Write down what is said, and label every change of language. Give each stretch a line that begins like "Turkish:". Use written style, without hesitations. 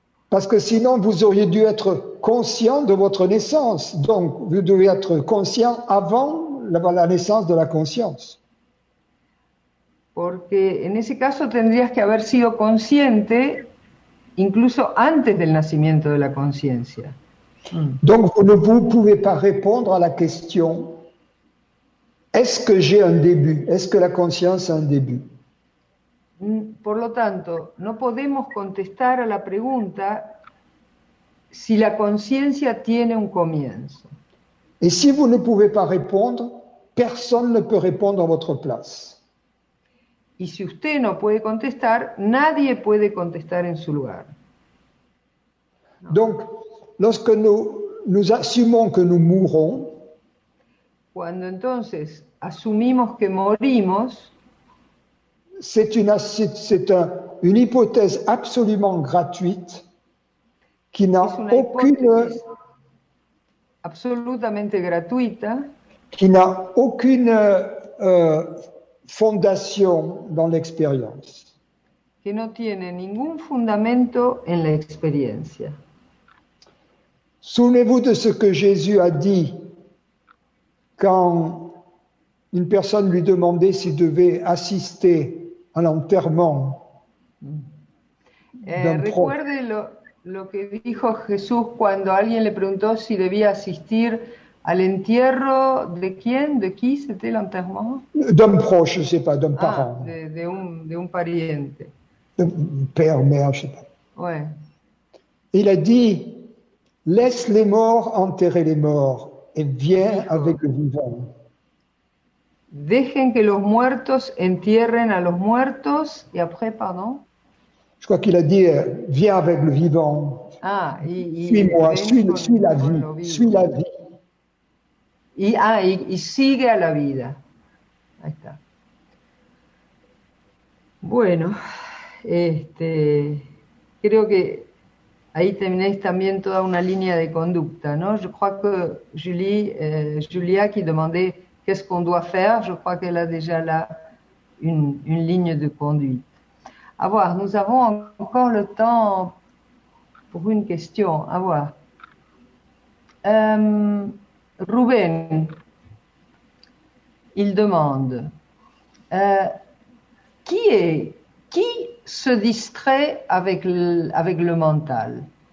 French: Parce que sinon vous auriez dû être conscient de votre naissance. Donc vous devez être conscient avant la naissance de la conscience.
Spanish: Porque en ese caso tendrías que haber sido consciente incluso antes del nacimiento de la conciencia.
French: Donc vous ne pouvez pas répondre à la question: est-ce que j'ai un début? Est-ce que la conscience a un début?
Spanish: Por lo tanto, no podemos contestar a la pregunta si la conciencia tiene un comienzo.
French: Et si vous ne pouvez pas répondre, personne ne peut répondre à votre place.
Spanish: y si usted no puede contestar, nadie puede contestar en su lugar.
French: Donc, lorsque nous assumons que nous mourons,
Spanish: cuando entonces asumimos que morimos,
French: c'est une hypothèse absolument gratuite qui n'a aucune
Spanish: absolutamente gratuita,
French: qui n'a aucune fondation dans l'expérience.
Spanish: Que no tiene ningún fundamento en la experiencia.
French: Souvenez-vous de ce que Jésus a dit quand une personne lui demandait s'il devait assister à l'enterrement d'un proche.
Spanish: Recuerde lo que dijo Jesús cuando alguien le preguntó si debía asistir al entierro de quién,
French: de qui c'était l'enterrement? D'un proche, je ne sais pas, d'un parent.
Spanish: De un pariente.
French: D'un père, mère, je ne sais pas. Ouais. Il a dit: laisse les morts enterrer les morts et viens avec le vivant.
Spanish: Dejen que los muertos entierren a los muertos y
French: après, pardon. Je crois qu'il a dit: viens avec le vivant. Suis-moi, suis la vie, suis la vie.
Spanish: Y sigue a la vida. Ahí está. Bueno, creo que ahí tenéis también toda una línea de conducta, ¿no?
French: Je crois que Julia qui demandait qu'est-ce qu'on doit faire, je crois qu'elle a déjà là une ligne de conduite. A voir, nous avons encore le temps pour une question. A voir. Ruben, il demande qui se distrait avec le mental?